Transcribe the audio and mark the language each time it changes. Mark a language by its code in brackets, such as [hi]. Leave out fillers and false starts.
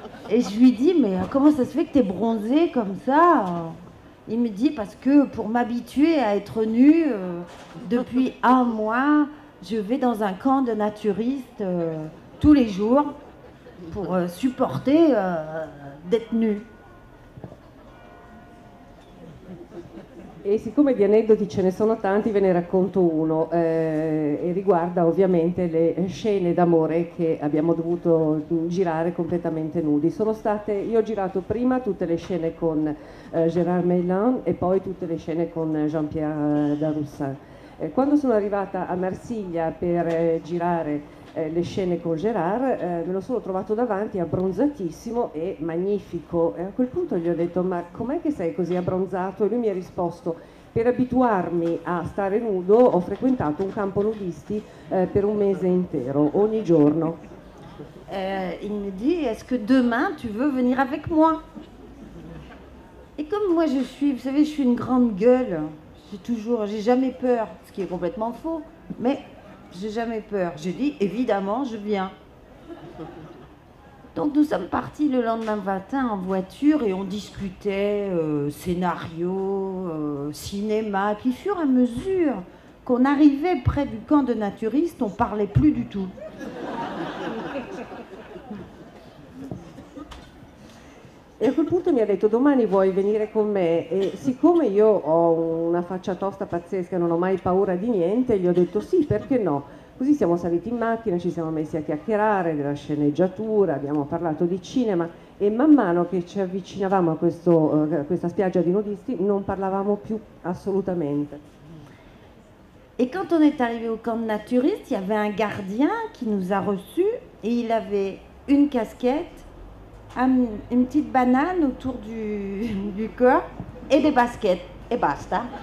[fr] Et je lui dis, mais comment ça se fait que tu es bronzé comme ça? Il me dit, parce que pour m'habituer à être nue, depuis un mois, je vais dans un camp de naturistes tous les jours pour supporter d'être nue. [it] E siccome di aneddoti ce ne sono tanti, ve ne racconto uno e riguarda ovviamente le scene d'amore che abbiamo dovuto girare completamente nudi. Io ho girato prima tutte le scene con Gérard Mélan e poi tutte le scene con Jean-Pierre Darroussin. Quando sono arrivata a Marsiglia per girare le scene con Gérard, me lo sono trovato davanti abbronzatissimo e magnifico. E a quel punto gli ho detto, ma com'è che sei così abbronzato? E lui mi ha risposto, per abituarmi a stare nudo ho frequentato un campo nudisti per un mese intero, ogni giorno. [fr] Il mi dit, est-ce que demain tu veux venir avec moi? E come moi je suis, vous savez, je suis une grande gueule, j'ai jamais peur, ce qui est complètement faux, mais j'ai jamais peur. J'ai dit, évidemment, je viens. Donc nous sommes partis le lendemain matin en voiture et on discutait scénario, cinéma. Et puis, fur et à mesure qu'on arrivait près du camp de naturistes, on ne parlait plus du tout. [it] E a quel punto mi ha detto, domani vuoi venire con me? E siccome io ho una faccia tosta pazzesca, non ho mai paura di niente, gli ho detto sì, perché no? Così siamo saliti in macchina, ci siamo messi a chiacchierare della sceneggiatura, abbiamo parlato di cinema e man mano che ci avvicinavamo a questa spiaggia di nudisti non parlavamo più assolutamente. [fr] E quand on est arrivé au camp naturiste, il y avait un gardien qui nous a reçu e il avait une casquette, une petite banane autour du corps et des baskets et basta.